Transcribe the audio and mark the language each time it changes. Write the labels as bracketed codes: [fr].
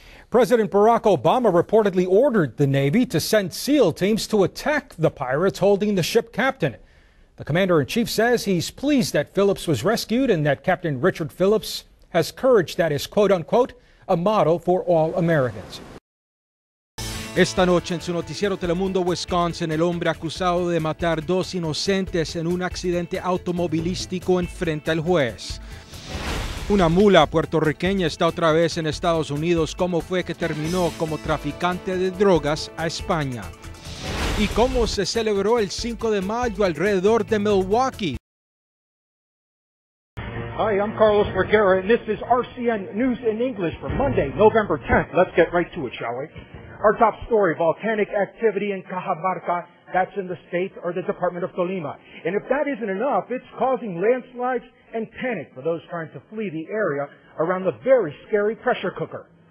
[en] President Barack Obama reportedly ordered the Navy to send SEAL teams to attack the pirates holding the ship captain. The commander-in-chief says he's pleased that Phillips was rescued and that Captain Richard Phillips has courage that is, quote-unquote, a model for all Americans. [es] Esta noche en su noticiero Telemundo, Wisconsin, el hombre acusado de matar dos inocentes en un accidente automovilístico enfrenta al juez. Una mula puertorriqueña está otra vez en Estados Unidos. ¿Cómo fue que terminó como traficante de drogas a España? ¿Y cómo se celebró el 5 de mayo alrededor de Milwaukee? [en] Hi, I'm Carlos Vergara, and this is RCN News in English for Monday, November 10th. Let's get right to it, shall we? Our top story, volcanic activity in Cajamarca, that's in the state or the Department of Tolima. And if that isn't enough, it's causing landslides and panic for those trying to flee the area around the very scary pressure cooker.